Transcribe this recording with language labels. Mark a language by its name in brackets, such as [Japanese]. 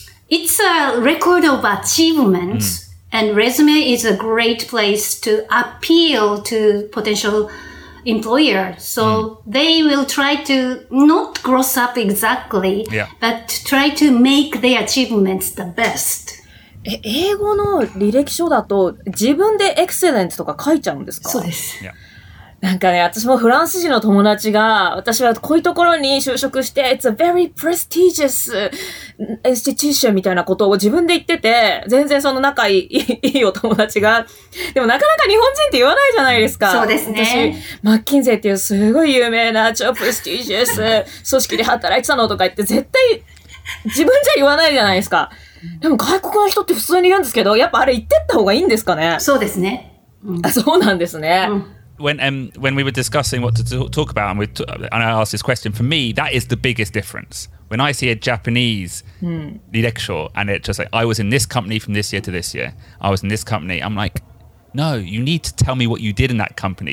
[English] It's a record of achievements, and resume is a great place to appeal to potential employer. So they will try to not gross up exactly, but try to make their achievements the best. [Japanese] 英語の履歴書だと自分でエクセレントとか書いちゃうんですか？そうです。なんかね、私もフランス人の友達が、私はこういうところに就職して、 [English] It's a very prestigious institution [Japanese] みたいなことを自分で言ってて、全然その仲いいお友達が、でもなかなか日本人って言わないじゃないですか。そうですね。私、マッキンゼっていうすごい有名な超prestigious組織で働いてたのとか言って、絶対自分じゃ言わないじゃないですか。でも外国の人って普通に言うんですけど、やっぱあれ言ってった方がいいんですかね。そうですね。そうなんですね。 [English] When we were discussing what to talk about, and I asked this question, for me, that is the biggest difference. When I see a Japanese rirekisho, and it just like, I was in this company from this year to this year, I was in this company, I'm like, no, you need to tell me what you did in that company.